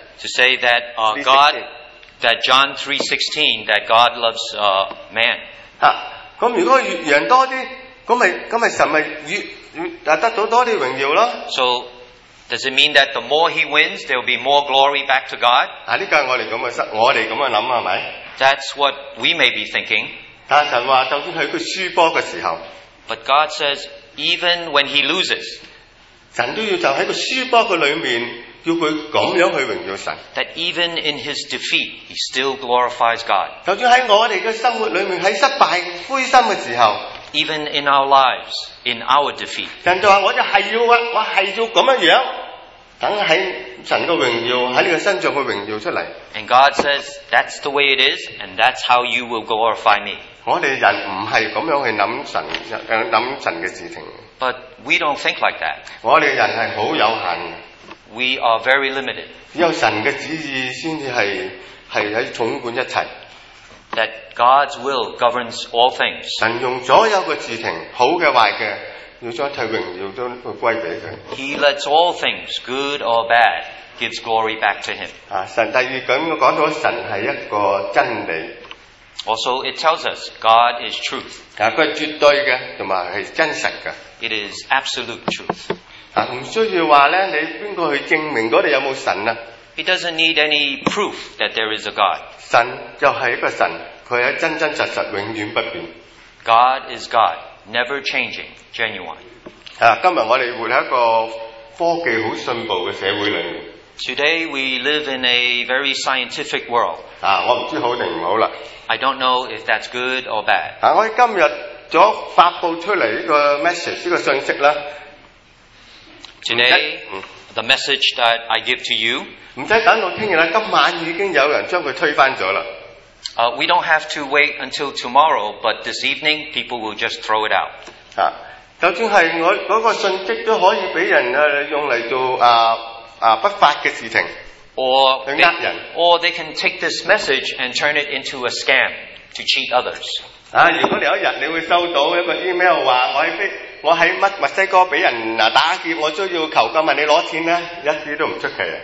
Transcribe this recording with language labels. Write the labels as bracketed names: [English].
[English] To say that God, that John 3:16, that God loves man. [Cantonese] 啊，咁如果越赢多啲，咁咪神咪越得到多啲荣耀咯。 [English] So does it mean that the more he wins, there will be more glory back to God? [Cantonese] 啊，呢个我哋咁样谂系咪？ [English] That's what we may be thinking. [Cantonese] 但神话，就算喺佢输波嘅时候 [English] ，But God says even when he loses, [Cantonese] 神都要就喺个输波嘅里面，要佢咁样去荣耀神。 [English] That even in his defeat, he still glorifies God. [Cantonese] 就算喺我哋嘅生活里面，喺失败灰心嘅时候 [English] ，Even in our lives, in our defeat, [Cantonese] 神就话我就系要啊，我系要咁样样。等喺神嘅荣耀喺你嘅身上去荣耀出嚟。 [English] And God says that's the way it is, and that's how you will glorify me. [Cantonese] 我哋人唔系咁样去谂神嘅事情。 [English] But we don't think like that. [Cantonese] 我哋人系好有限。 [English] We are very limited. [Cantonese] 只有神嘅旨意先至系喺掌管一切。 [English] That God's will governs all things. [Cantonese] 神用所有嘅事情，好嘅坏嘅。 [English] He lets all things, good or bad, gives glory back to him. [Cantonese] 啊，神第二咁讲到神系一个真理。 [English] Also, it tells us God is truth. [Cantonese] 啊，佢系绝对嘅，同埋系真实嘅。 [English] It is absolute truth. [Cantonese] 啊，唔需要话咧，你边个去证明嗰度有冇神啊 [English] ？He doesn't need any proof that there is a God. [Cantonese] 神就系一个神，佢系真真实实，永远不变。 [English] God is God. Never changing, genuine. [Cantonese] 今日我哋活喺一个科技好进步嘅社会里面。 [English] Today we live in a very scientific world. [Cantonese] 我唔知好定唔好啦。 [English] I don't know if that's good or bad. [Cantonese] 我哋今日所发布出嚟呢个 message 呢个信息咧。 [English] Today, the message that I give to you. [Cantonese] 唔使等到听日啦，今晚已经有人将佢推翻咗啦。 [English] We don't have to wait until tomorrow, but this evening people will just throw it out. [Cantonese] 就算系我嗰个信息都可以俾人用嚟做不法嘅事情，去呃人。 [English] Or they can take this message and turn it into a scam to cheat others. [Cantonese] 如果你有一日你会收到一个 email 话我喺乜墨西哥俾人打劫，我需要求救，问你攞钱咧，一啲都唔出奇。